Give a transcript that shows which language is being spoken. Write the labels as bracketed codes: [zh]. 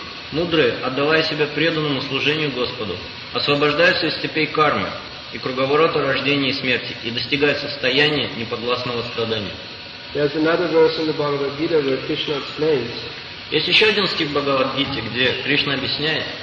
[ru] Мудрые, отдавая себя преданному служению Господу, освобождаются из цепей кармы и круговорота рождения и смерти и достигают состояния неподвластного страдания. [en] There's another verse in the Bhagavad Gita where Krishna explains. [ru] Есть еще один стих в Бхагавад-гите, где Кришна объясняет,